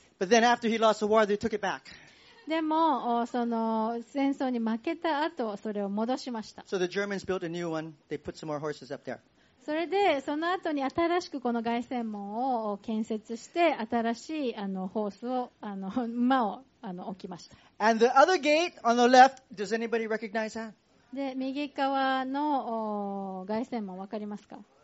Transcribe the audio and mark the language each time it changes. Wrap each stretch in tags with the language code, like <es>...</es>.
<en>But then after he lost the war, they took it back.</en> <ja>でもその戦争に負けた後それを戻しました。</ja> <en>So the Germans built a new one. They put some more horses up there.</en> <ja>それでその後に新しくこの凱旋門を建設して新しいホースを馬を置きました。</ja> <en>And the other gate on the left, does anybody recognize that?</en> <ja>で右側の凱旋門わかりますか</ja>